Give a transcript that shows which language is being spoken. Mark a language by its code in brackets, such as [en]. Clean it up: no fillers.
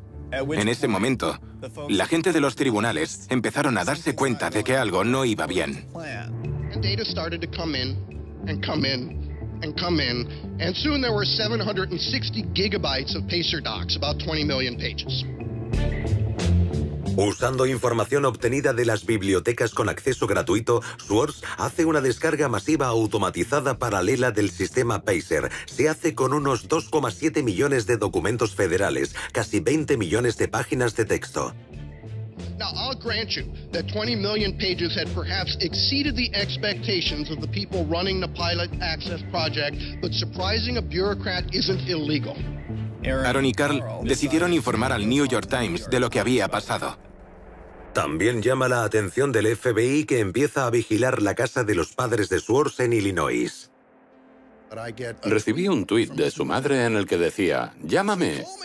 [es] En ese momento, la gente de los tribunales empezaron a darse cuenta de que algo no iba bien. [en] And soon there were 760 gigabytes of Pacer docs, about 20 million pages. [es] Usando información obtenida de las bibliotecas con acceso gratuito, Schultz hace una descarga masiva automatizada paralela del sistema Pacer. Se hace con unos 2,7 millones de documentos federales, casi 20 millones de páginas de texto. [en] Now, I'll grant you that 20 million pages had perhaps exceeded the expectations of the people running the pilot access project, but surprising a bureaucrat isn't illegal. [es] Aaron y Carl decidieron informar al New York Times de lo que había pasado. También llama la atención del FBI que empieza a vigilar la casa de los padres de Schultz en Illinois. Recibí un tuit de su madre en el que decía, llámame.